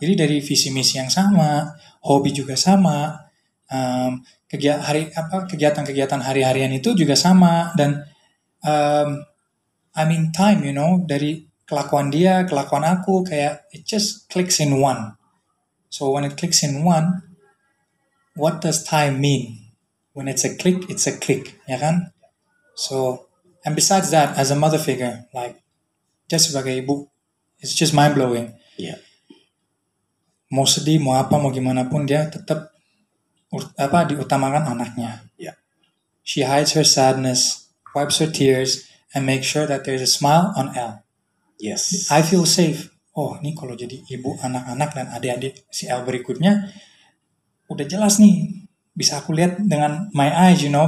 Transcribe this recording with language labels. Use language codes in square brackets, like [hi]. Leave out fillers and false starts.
[id] Jadi dari visi misi yang sama, hobi juga sama, kegiatan hari-harian itu juga sama dan [en] I mean time, you know, [id] dari kelakuan dia, kelakuan aku, kayak [en] it just clicks in one. So when it clicks in one, what does time mean? When it's a click, [id] ya kan? [en] So, and besides that, as a mother figure, like, just [id] sebagai ibu, [en] it's just mind-blowing. Yeah. [id] Mau sedih, mau apa, mau gimana pun, dia tetap diutamakan anaknya. [en] Yeah. She hides her sadness, wipes her tears, and make sure that there's a smile on L. Yes. I feel safe. [id] Oh, ini kalau jadi ibu anak-anak dan adik-adik si L berikutnya, udah jelas nih, bisa aku lihat dengan [en] my eyes, you know.